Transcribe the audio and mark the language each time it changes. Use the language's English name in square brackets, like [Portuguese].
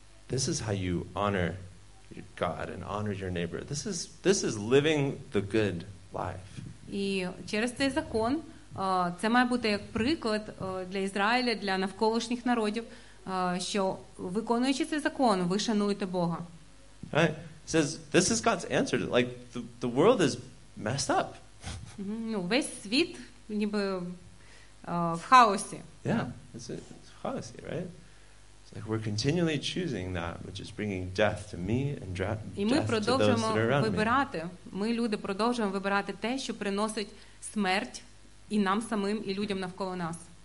[English] This is how you honor God and honor your neighbor. This is living the good life. [Ukrainian] І через цей закон, це має бути як приклад для Ізраїля, для навколишніх народів, що виконуючи цей закон, ви шануєте Бога. [English] Right. Says this is God's answer. Like the world is messed up. [Ukrainian] Ну, весь світ ніби в хаосі. [English] Yeah, it's [Ukrainian] в хаосі, [English] right? Like we're continually choosing that which is bringing death to me and death to those that are around me. [Ukrainian] І ми продовжуємо вибирати. Ми, люди, продовжуємо вибирати те, що приносить смерть і нам самим, і людям навколо нас.